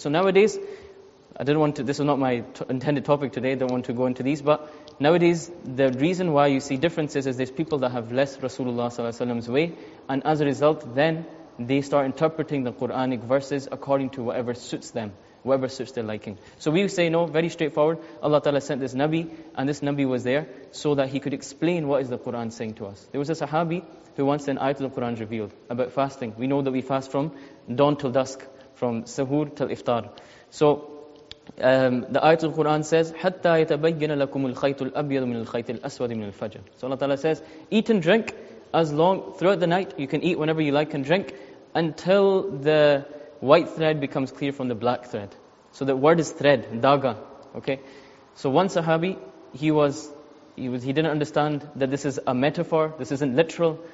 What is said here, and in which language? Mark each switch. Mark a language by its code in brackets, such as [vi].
[en] So nowadays, this is not my intended topic today, I don't want to go into these, but nowadays, the reason why you see differences is there's people that have less Rasulullah sallallahu alaihi wasallam's way, and as a result, then they start interpreting the Quranic verses according to whatever suits them, whatever suits their liking. So we say, no, very straightforward, Allah Ta'ala sent this Nabi, and this Nabi was there so that he could explain what is the Quran saying to us. There was a Sahabi who once an ayat of the Quran revealed about fasting. We know that we fast from dawn till dusk, from sahur till iftar. So the ayat of the Quran says, [ar] حَتَّى يَتَبَيَّنَ لَكُمُ الْخَيْتُ الْأَبْيَضُ مِنَ الْخَيْتِ الْأَسْوَدِ مِنَ الْفَجْرِ. [en] So Allah Ta'ala says, eat and drink, as long throughout the night, you can eat whenever you like and drink until the white thread becomes clear from the black thread. So the word is thread, daga. Okay. So one Sahabi, he didn't understand that this is a metaphor, this isn't literal.